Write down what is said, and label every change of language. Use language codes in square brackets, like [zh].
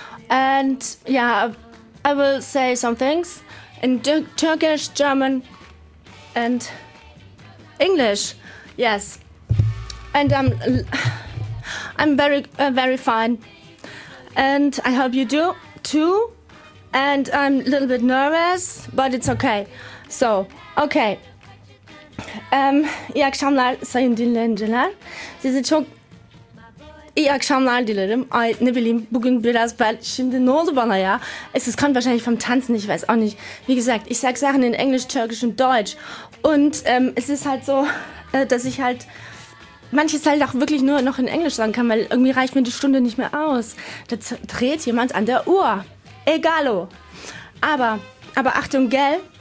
[en] And yeah, I will say some things in Turkish, German and English. Yes. And I'm very, very fine. And I hope you do too. And I'm a little bit nervous, but it's okay. So, okay. [tr] İyi akşamlar sayın dinleyiciler. Sizi çok İyi akşamlar dilerim. Ay ne bileyim, bugün biraz bel... Şimdi ne oldu bana ya? [de] Es ist kann wahrscheinlich vom Tanzen, ich weiß auch nicht. Wie gesagt, ich sag Sachen in Englisch, Türkisch und Deutsch. Und es ist halt so, dass ich halt... Manches halt auch wirklich nur noch in Englisch sagen kann, weil irgendwie reicht mir die Stunde nicht mehr aus. Da dreht jemand an der Uhr. Egalo. Aber Achtung, gell?